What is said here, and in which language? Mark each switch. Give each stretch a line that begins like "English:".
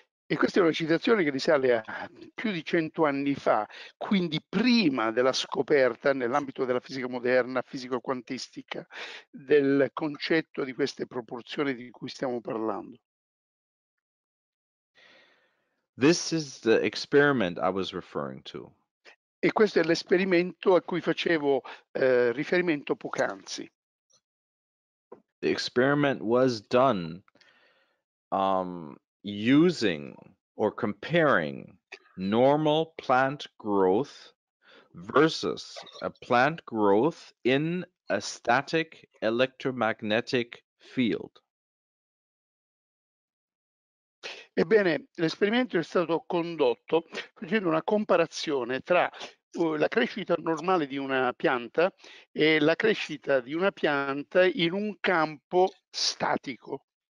Italian: E questa è una citazione che risale a più di 100 anni fa, quindi prima della scoperta nell'ambito della fisica moderna, fisica quantistica, del concetto di queste proporzioni di cui stiamo parlando.
English: This is the experiment I was referring to.
Italian: E questo è l'esperimento a cui facevo riferimento poc'anzi.
English: The experiment was done using or comparing normal plant growth versus a plant growth in a static electromagnetic field.
Italian: Ebbene, l'esperimento è stato condotto facendo una comparazione tra la crescita normale di una pianta e la crescita di una pianta in un campo statico.